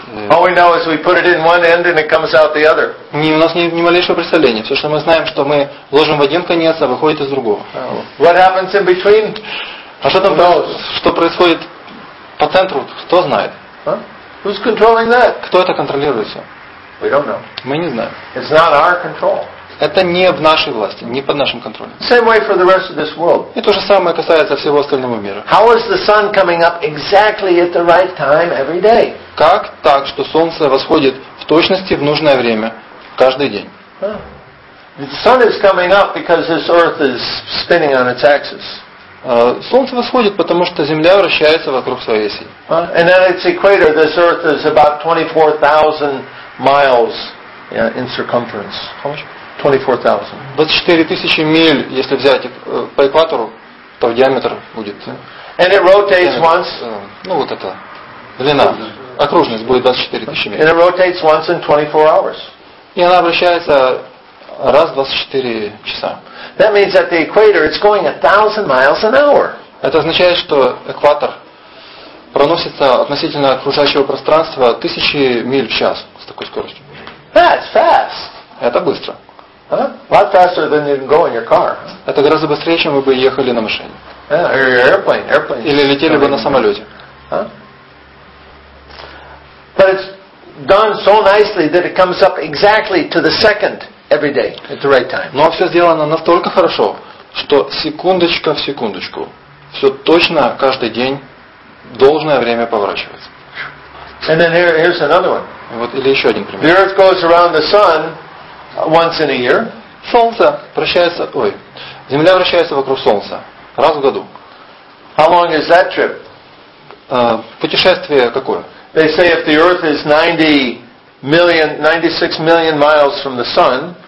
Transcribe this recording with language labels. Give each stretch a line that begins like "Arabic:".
English: All we know is we put it in one end and it comes out the other.
Russian: Не, у нас ни малейшего представления. Все, что мы знаем, что мы ложим в один конец, а выходит из другого.
English: Oh. What happens in between?
Russian: А что там что происходит по центру, кто знает?
English: Huh? Who's controlling that?
Russian: Кто это контролирует?
English: We don't know.
Russian: Мы не знаем.
English: It's not our control.
Russian: Это не в нашей власти, не под нашим контролем.
English: Same way for the rest of this world.
Russian: И то же самое касается всего остального мира.
English: How is the sun coming up exactly at the right time every day?
Russian: Как так, что солнце восходит в точности в нужное время каждый день? Huh.
English: The sun is coming up because this earth is spinning on its axis.
Russian: Солнце восходит, потому что Земля вращается вокруг своей оси.
English: And at its equator, this earth is about 24,000 miles in circumference. 24,000.
Russian: 24,000 миль, если взять по экватору, то диаметр будет.
English: And it rotates once.
Russian: Ну вот это длина, окружность будет 24,000 миль.
English: And it rotates once in 24 hours.
Russian: И она вращается раз 24 часа.
English: That means at the equator it's going 1,000 miles an hour.
Russian: Это означает, что экватор проносится относительно окружающего пространства 1000 миль в час с такой скоростью.
English: That's fast.
Russian: Это быстро.
English: Huh? A lot faster than you can go in your car.
Russian: Это гораздо быстрее, чем вы бы ехали на машине.
English: Yeah, or your airplane.
Russian: Или летели бы на самолете. Huh?
English: But it's done so nicely that it comes up exactly to the second every day at the right time.
Russian: Но все сделано настолько хорошо, что секундочка в секундочку все точно каждый день должное время поворачивается.
English: And then here's another one.
Russian: Вот или еще один пример.
English: The Earth goes around the sun. Once in a year.
Russian: Солнце вращается. Ой, Земля вращается вокруг Солнца раз в году.
English: How long is that trip?
Russian: Путешествие какое?
English: They say if the Earth is 96 million miles from the sun.